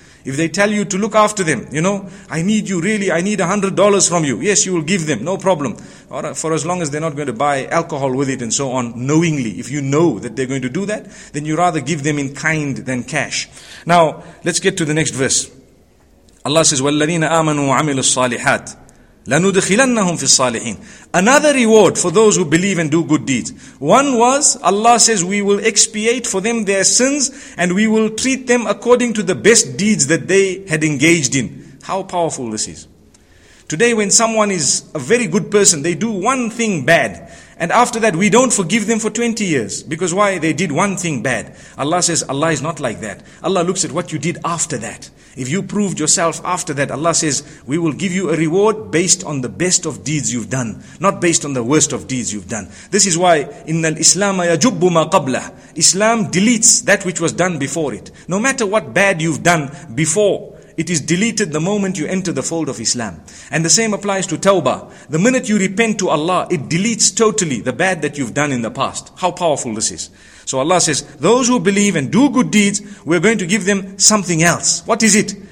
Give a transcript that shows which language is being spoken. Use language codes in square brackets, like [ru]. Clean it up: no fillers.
[en] If they tell you to look after them, you know, I need you really, I need $100 from you, yes, you will give them, no problem. Or for as long as they're not going to buy alcohol with it and so on, knowingly. If you know that they're going to do that, then you rather give them in kind than cash. Now, let's get to the next verse. Allah says, [ar] وَالَّذِينَ آمَنُوا وَعَمِلُوا الصَّالِحَاتِ لَنُدْخِلَنَّهُمْ فِي الصَّالِحِينَ. [en] Another reward for those who believe and do good deeds. One was, Allah says, we will expiate for them their sins and we will treat them according to the best deeds that they had engaged in. How powerful this is. Today when someone is a very good person, they do one thing bad. And after that, we don't forgive them for 20 years. Because why? They did one thing bad. Allah says, Allah is not like that. Allah looks at what you did after that. If you proved yourself after that, Allah says, we will give you a reward based on the best of deeds you've done, not based on the worst of deeds you've done. This is why, [ar] إِنَّ الْإِسْلَامَ يَجُبُّ مَا قَبْلَهُ. [en] Islam deletes that which was done before it. No matter what bad you've done before, it is deleted the moment you enter the fold of Islam. And the same applies to tawbah. The minute you repent to Allah, it deletes totally the bad that you've done in the past. How powerful this is. So Allah says, those who believe and do good deeds, we're going to give them something else. What is it?